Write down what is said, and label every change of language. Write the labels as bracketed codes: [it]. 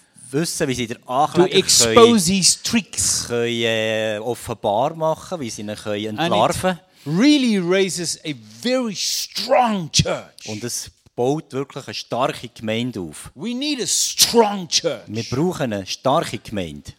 [de] wissen, wie sie den Ankläger offenbar machen, wie sie ihn entlarven können. [en] Really raises a very strong church. [de] Und es baut wirklich eine starke Gemeinde auf. [en] We need a strong church. [de] Wir brauchen eine starke Gemeinde.